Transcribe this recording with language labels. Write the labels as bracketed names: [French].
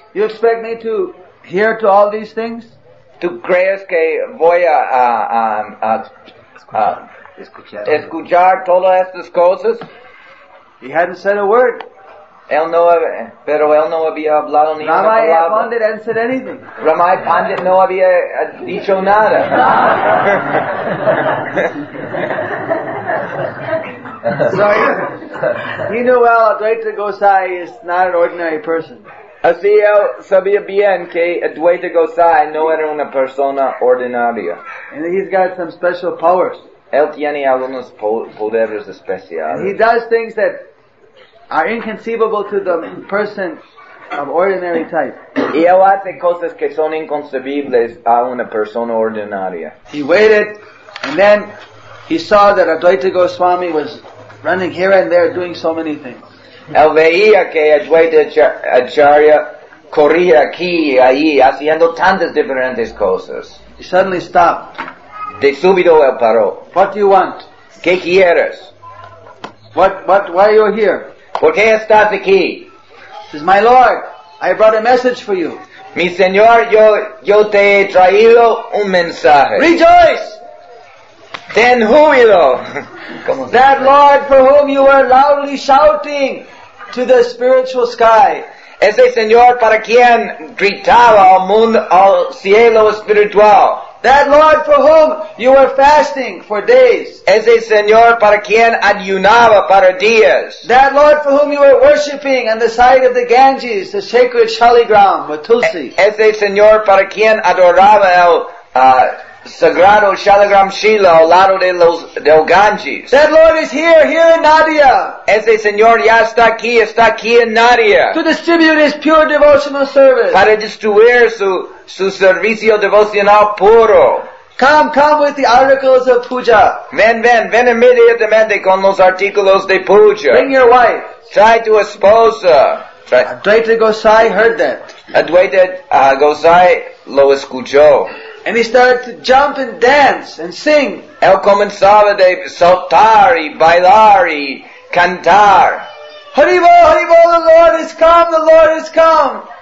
[English] You expect me to hear to all these things? [Spanish] ¿Tú crees que voy a escuchar todas estas cosas? [English] He hadn't said a word. [Spanish] Pero él no había hablado ni una palabra. [English] Ramay Pandit hadn't said anything. [Spanish] Ramay Pandit no había dicho nada. [English] So he knew well Advaita Gosai is not an ordinary person. [Spanish] Así él sabía bien que Advaita Gosai no era una persona ordinaria. [English] And he's got some special powers. [Spanish] Él tiene algunos poderes especiales. [English] And he does things that are inconceivable to the person of ordinary type. [Spanish] Y él hace cosas que son inconcebibles a una persona ordinaria. [English] He waited, and then he saw that Advaita Goswami was running here and there doing so many things. [Spanish] Él veía que Advaita Acharya corría aquí y allí haciendo tantas diferentes cosas. [English] He suddenly stopped. [Spanish] De súbito él paró. [English] What do you want? [Spanish] ¿Qué quieres? [English] What? Why are you here? [Spanish] ¿Por qué estás aquí? [English] Says, my Lord, I brought a message for you. [Spanish] Mi Señor, yo te he traído un mensaje. [English] Rejoice! [Spanish] Ten júbilo! [English] That Lord for whom you were loudly shouting to the spiritual sky. [Spanish] Ese Señor para quien gritaba al mundo, al cielo espiritual. [English] That Lord for whom you were fasting for days. [Spanish] Ese Señor para quien ayunaba para días. [English] That Lord for whom you were worshipping on the side of the Ganges, the sacred Shaligram, with Tulsi. [Spanish] Ese Señor para quien adoraba el sagrado Shaligram Shila al lado de los del Ganges. [English] That Lord is here in Nadia. [Spanish] Ese Señor ya está aquí en Nadia. [English] To distribute his pure devotional service. [Spanish] Para distribuir su servicio devocional puro. [English] Come with the articles of puja. [Spanish] Ven inmediatamente con los artículos de puja. [English] Bring your wife. [Spanish] Try to esposa. [English] Advaita Gosai heard that. [Spanish] Advaita Gosai lo escuchó. [English] And he started to jump and dance and sing. [Spanish] Él comenzaba de saltar y bailar y cantar. [English] Haribo, Haribo, the Lord has come, the Lord has come.